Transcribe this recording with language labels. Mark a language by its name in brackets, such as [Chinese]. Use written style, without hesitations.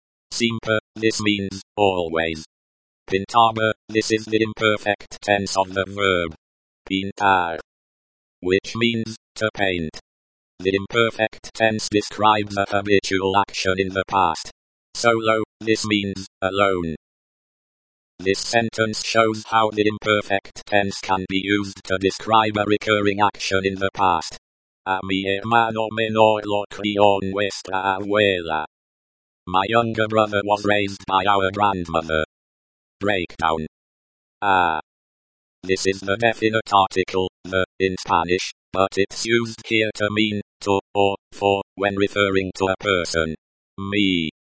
[English] Siempre, this means, always. Pintaba, this is the imperfect tense of the verb. Pintar, which means, to paint. The imperfect tense describes a habitual action in the past. Solo, this means, alone. This sentence shows how the imperfect tense can be used to describe a recurring action in the past. [Spanish] A mi hermano menor lo crió nuestra abuela. [English] My younger brother was raised by our grandmother. Breakdown. This is the definite article, the, in Spanish, but it's used here to mean, to, or, for, when referring to a person. Me.